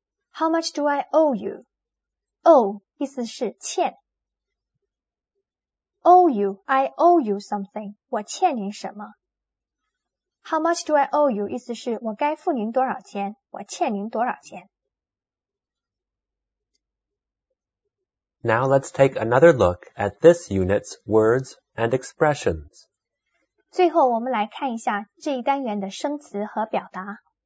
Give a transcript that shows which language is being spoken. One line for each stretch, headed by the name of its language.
English: How much do I owe you? Owe,
Chinese: 意思是欠。
English: Owe you, I owe you something,
Chinese: 我欠您什么。
English: How much do I owe you?
Chinese: 意思是我该付您多少钱,我欠您多少钱。
English: Now let's take another look at this unit's words and expressions.
Chinese: 最后我们来看一下这一单元的生词和表达。